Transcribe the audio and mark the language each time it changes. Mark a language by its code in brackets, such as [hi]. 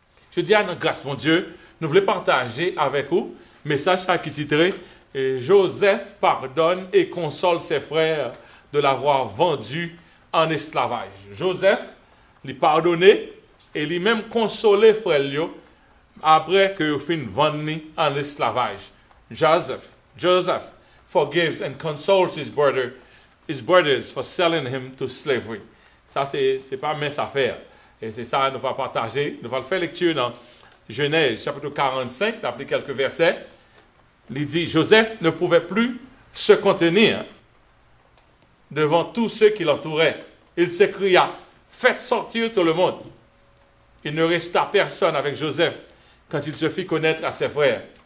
[fr] Je dis à notre grâce, mon Dieu, nous voulons partager avec vous un message qui titrait « Joseph pardonne et console ses frères de l'avoir vendu en esclavage. » Joseph lui pardonnait et lui même consolait frère Lio après que il fin vendu en esclavage. Joseph. [en] Forgives and consoles his brothers for selling him to slavery. [fr] Ça c'est pas mince à faire. Et c'est ça nous va partager. Nous va le faire lecture dans Genèse chapitre 45, d'après quelques versets. Il dit Joseph ne pouvait plus se contenir devant tous ceux qui l'entouraient. Il s'écria faites sortir tout le monde. Il ne resta personne avec Joseph quand il se fit connaître à ses frères.